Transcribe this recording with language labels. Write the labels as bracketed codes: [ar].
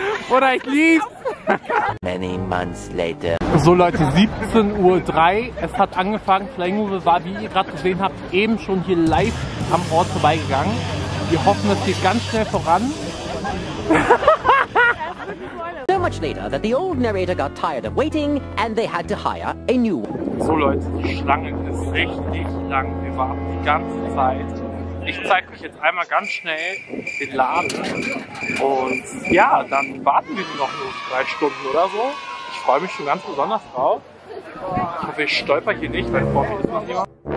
[de] Oder ich lieb! [en] Many months later. [de] So, Leute, 17.03 Uhr. Es hat angefangen. Flying Uwe war, wie ihr gerade gesehen habt, eben schon hier live am Ort vorbeigegangen. Wir hoffen, es geht ganz schnell voran. [en] Later, that the old narrator got tired of waiting and they had to hire a new one. [de] So, Leute, die Schlange ist richtig lang. Wir warten die ganze Zeit. Ich zeige euch jetzt einmal ganz schnell den Laden. Und ja, dann warten wir noch 3 Stunden oder so. Ich freue mich schon ganz besonders drauf. Ich hoffe, ich stolper hier nicht, weil vor mir ist noch jemand.